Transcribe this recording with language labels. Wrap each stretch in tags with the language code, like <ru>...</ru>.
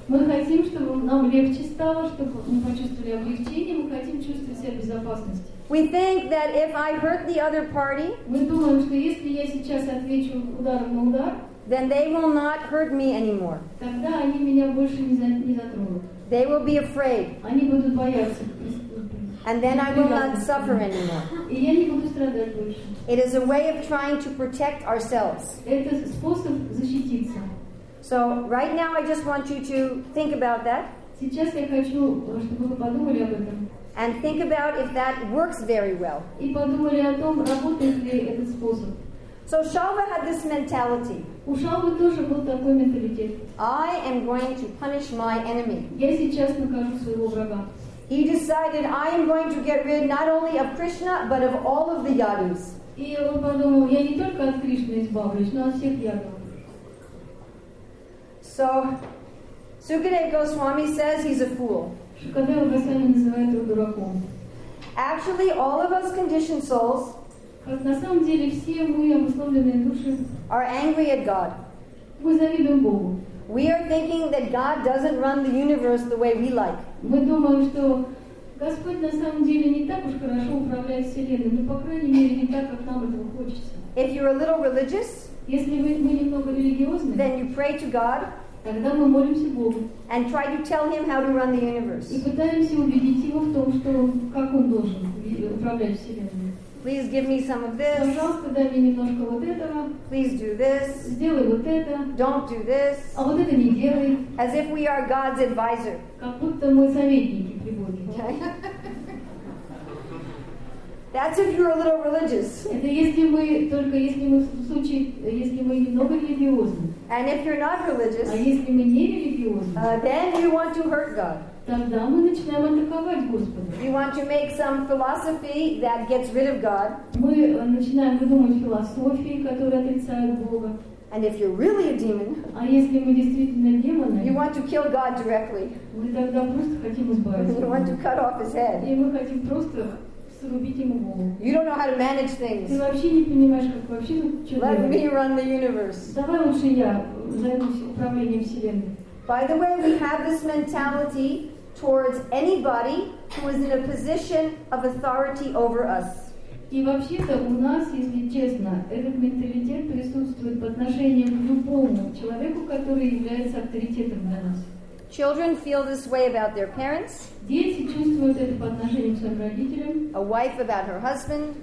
<ru>Мы хотим, чтобы нам легче стало, чтобы мы почувствовали облегчение, мы хотим чувствовать себя в безопасности.</ru> <en>We think that if I hurt the other party,</en> <ru>мы думаем, что если я сейчас отвечу ударом на удар,</ru> <en>then they will not hurt me anymore.</en> <ru>Тогда они меня больше не затронут.</ru> <en>They will be afraid.</en> <ru>Они будут бояться.</ru> <en>And then I will not suffer anymore.</en> <ru>И я не буду страдать больше.</ru> <en>It is a way of trying to protect ourselves.</en> <ru>Это способ защититься.</ru> <en>So right now I just want you to think about that.</en> <ru>Сейчас я хочу, чтобы вы подумали об этом.</ru> <en>And think about if that works very well.</en> <ru>И подумали о том, работает ли этот способ.</ru> <en>So Shalva had this mentality.</en> <ru>У Шалвы тоже был такой менталитет.</ru> <en>I am going to punish my enemy.</en> <ru>Я сейчас накажу своего врага.</ru> <en>He decided, I am going to get rid not only of Krishna, but of all of the Yadus.</en> <ru>И он подумал, я не только от Кришны избавлюсь, но от всех Яду.</ru> <en>So, Sukadeva Goswami says he's a fool.</en> <ru>Шукадева Госвами называет его дураком.</ru> <en>Actually, all of us conditioned souls</en> <ru>на самом деле все мы, обусловленные души,</ru> <en>are angry at God.</en> <ru>Мы завидуем Богу.</ru> <en>We are thinking that God doesn't run the universe the way we like.</en> <ru>Мы думаем, что Господь на самом деле не так уж хорошо управляет Вселенной, но, по крайней мере, не так, как нам этого хочется.</ru> <en>If you're a little religious,</en> <ru>если мы немного религиозны,</ru> <en>then you pray to God,</en> <ru>тогда мы молимся Богу.</ru> <en>And try to tell him how to run the universe.</en> <ru>И пытаемся убедить его в том, что как он должен управлять Вселенной.</ru> <en>Please give me some of this.</en> <ru>Пожалуйста, дай мне немножко вот этого.</ru> <en>Please do this.</en> <ru>Сделай вот это.</ru> <en>Don't do this.</en> <ru>А вот это не делай.</ru> <en>As if we are God's advisor.</en> <ru>Как будто мы советники при Боге.</ru> <en>That's if you're a little religious.</en> <ru>Это если мы в случае, если мы немного религиозны.</ru> <en>And if you're not religious.</en> <ru>А если мы не религиозны.</ru> <en>Then you want to hurt God.</en> <ru>Тогда мы начинаем атаковать Господа.</ru> <en>We want to make some philosophy that gets rid of God.</en> <ru>Мы начинаем выдумывать философии, которые отрицают Бога.</ru> <en>And if you're really a demon,</en> <ru>а если мы действительно демоны,</ru> <en>you want to kill God directly.</en> <ru>Мы тогда просто хотим избавиться от</ru> <en>Бога. You want to cut off his head.</en> <ru>И мы хотим просто срубить ему голову.</ru> <en>You don't know how to manage things.</en> <ru>Ты вообще не понимаешь, как вообще что</ru> <en>делать. Let me run the universe.</en> <ru>Давай лучше я займусь управлением Вселенной.</ru> <en>By the way, we have this mentality towards anybody who is in a position of authority over us.</en> <ru>И вообще-то у нас, если честно, этот менталитет присутствует по отношению к любому человеку, который является авторитетом для нас.</ru> <en>Children feel this way about their parents.</en> <ru>Дети чувствуют это по отношению к своим родителям.</ru> <en>A wife about her husband.</en>